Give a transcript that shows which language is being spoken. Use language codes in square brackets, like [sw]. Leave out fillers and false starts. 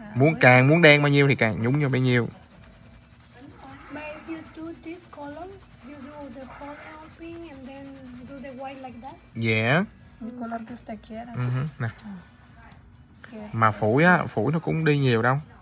[vi] Muốn càng muốn đen bao nhiêu thì càng nhúng vô bao nhiêu. [en] But if you do this color, you do the color pink and then do the white like that? Yeah. Uh-huh. [vi] Mà phủi á, phủi nó cũng đi nhiều đâu.